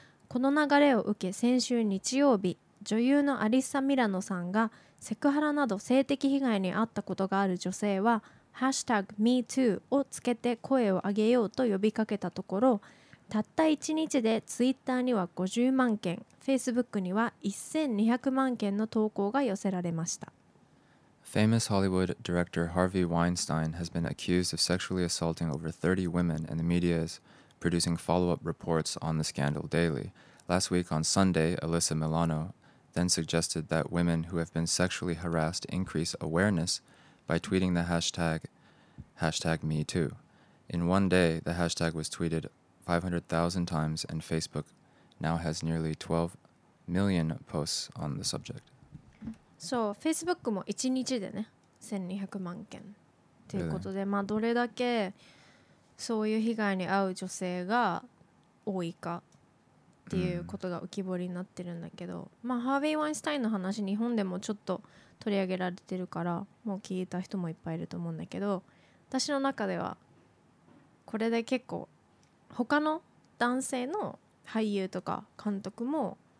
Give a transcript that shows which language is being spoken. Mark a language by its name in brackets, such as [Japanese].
[Japanese] この流れを受け、先週日曜日、女優のアリッサ・ミラノさんがセクハラなど性的被害に遭ったことがある女性はハッシュタグ MeToo をつけて声を上げようと呼びかけたところ、たった1日で Twitter には50万件、 Facebook には1200万件の投稿が寄せられました。 [English] Famous Hollywood director Harvey Weinstein has been accused of sexually assaulting over 30 women and the media is producing follow-up reports on the scandal daily. Last week on Sunday, Alyssa Milano then suggested that women who have been sexually harassed increase awareness by tweeting the hashtag, #MeToo. In one day, the hashtag was tweeted 500,000 times and Facebook now has nearly 12 million posts on the subject. [Japanese] そう、Facebook も1日でね、1200万件ということで、まあどれだけそういう被害に遭う女性が多いかっていうことが浮き彫りになってるんだけど、まあハーヴェイ・ワインスタインの話、日本でもちょっと取り上げられてるからもう聞いた人もいっぱいいると思うんだけど、私の中ではこれで結構他の男性の俳優とか監督も